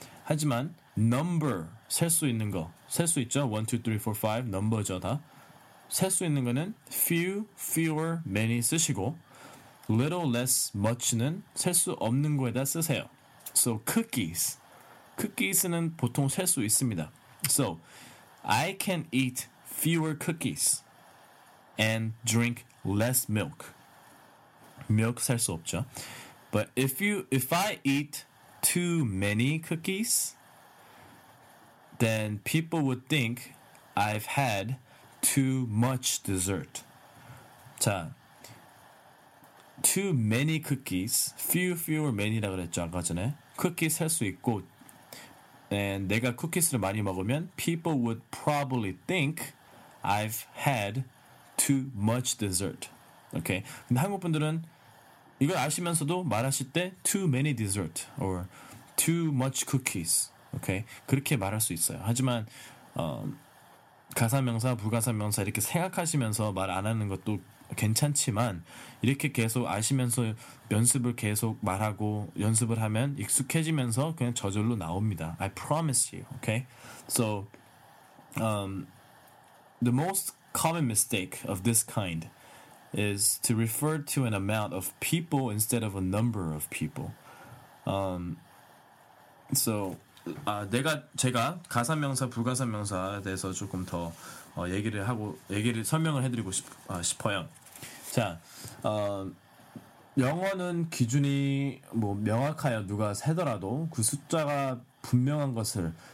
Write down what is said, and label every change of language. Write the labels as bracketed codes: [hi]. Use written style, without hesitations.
[ko] 하지만 number, 셀 수 있는 거, 셀 수 있죠? 1, 2, 3, 4, 5, 넘버죠, 다. 셀 수 있는 거는 few, fewer, many 쓰시고 little, less, much는 셀 수 없는 거에다 쓰세요. [en] So cookies. [ko] 쿠키스는 보통 셀 수 있습니다. [en] So, I can eat fewer cookies and drink less milk. [ko] 밀크 셀 수 없죠. [en] But if I eat too many cookies, then people would think I've had too much dessert. [ko] 자, [en] too many cookies, [ko] fewer many라고 그랬죠, 아까 전에. 쿠키 셀 수 있고, [en] And [ko] 내가 쿠키스를 많이 먹으면 [en] people would probably think I've had too much dessert. Okay? [ko] 근데 한국 분들은 이걸 아시면서도 말하실 때 [en] too many dessert or too much cookies. Okay? [ko] 그렇게 말할 수 있어요. 하지만 가상명사, 불가상명사 이렇게 생각하시면서 말 안 하는 것도 괜찮지만 이렇게 계속 아시면서 연습을 계속 말하고 연습을 하면 익숙해지면서 그냥 저절로 나옵니다. [en] I promise you, okay? So, the most common mistake of this kind is to refer to an amount of people instead of a number of people. [ko] So, 제가 가상명사, 불가상명사에 대해서 조금 더 얘기를 설명을 해드리고 싶어요. 자, 영어는 기준이 뭐 명확하여 누가 세더라도 그 숫자가 분명한 것을